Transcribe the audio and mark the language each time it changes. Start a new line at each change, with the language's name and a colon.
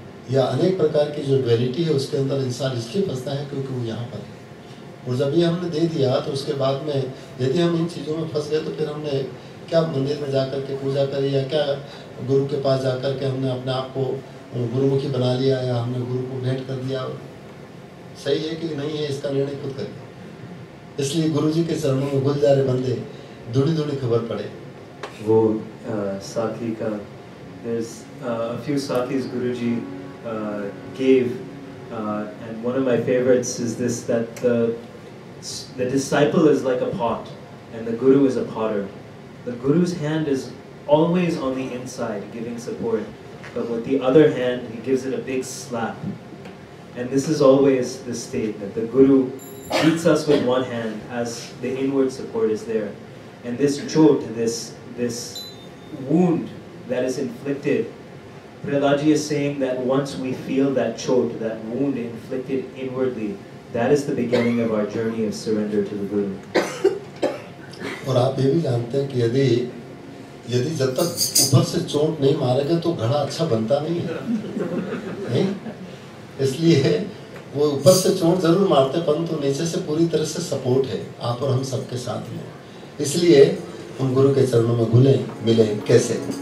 Hindi: या अनेक प्रकार की जो ड्वेलिटी है उसके अंदर इंसान इसलिए फंसता है क्योंकि वो यहाँ पर है और जब ये हमने दे दिया तो उसके बाद में यदि हम इन चीज़ों में फंस गए तो फिर हमने क्या मंदिर में जा करके पूजा करी या क्या गुरु के पास जा करके हमने अपने आप को गुरुमुखी बना लिया या हमने गुरु को भेंट कर दिया सही है कि नहीं है इसका निर्णय खुद कर इसलिए गुरु जी के चरणों में घुल जा रहे बंदे धुड़ी धुड़ी खबर पड़े वो साथी का
English: there's a few साथीज Guruji gave and one of my favorites is this that the disciple is like a pot and the guru is a potter The guru's hand is always on the inside, giving support. But with the other hand, he gives it a big slap. And this is always the state, that the guru beats us with one hand as the inward support is there. And this chot, this wound that is inflicted, Prahladji is saying that once we feel that chot, that wound inflicted inwardly, that is the beginning of our journey of surrender to the guru.
Hindi: और आप ये भी जानते हैं कि यदि यदि जब तक ऊपर से चोट नहीं मारेगा तो घड़ा अच्छा बनता नहीं है नहीं? इसलिए वो ऊपर से चोट जरूर मारते हैं परंतु नीचे से पूरी तरह से सपोर्ट है आप और हम सबके साथ में इसलिए हम गुरु के चरणों में घुले मिले कैसे